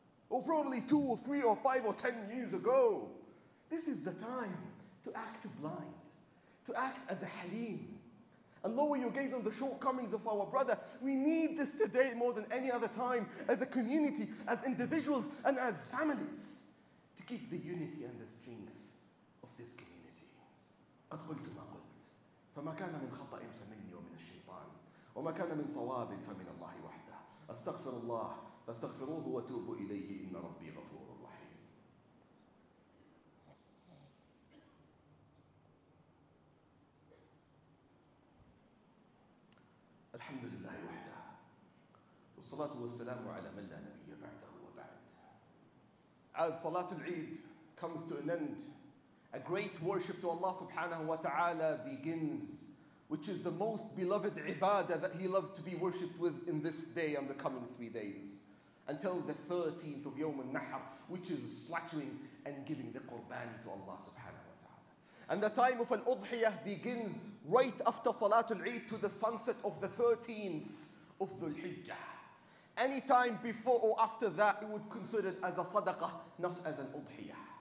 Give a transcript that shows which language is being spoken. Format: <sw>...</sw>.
<en>Or probably 2 or 3 or 5 or 10 years ago. This is the time to act blind, to act as a halim, and lower your gaze on the shortcomings of our brother. We need this today more than any other time as a community, as individuals, and as families to keep the unity and the strength of this community.</en> <ar>قَدْ قُلْتُ مَا قُلْتُ فَمَا كَانَ مِنْ خَطَئٍ فَمِنِّي وَمِنَ الشَّيْطَانِ وَمَا كَانَ مِنْ صَوَابٍ فَمِنَ اللَّهِ وَحْدَهِ أَسْتَغْفِرُ اللَّهِ فاستغفروه وتوبوا إليه إن ربي غفور رحيم الحمد لله وحده والصلاة والسلام على من لا نبي بعده وبعد</ar> <en>As Salatul Eid comes to an end, a great worship to Allah subhanahu wa ta'ala begins, which is the most beloved ibadah that He loves to be worshipped with in this day and the coming 3 days. Until the 13th of Yawm al-Nahr, which is slaughtering and giving the Qurban to Allah subhanahu wa ta'ala. And the time of al-Udhiyah begins right after Salatul Eid to the sunset of the 13th of Dhul Hijjah. Any time before or after that, it would consider it as a sadaqah, not as an Udhiyah.</en>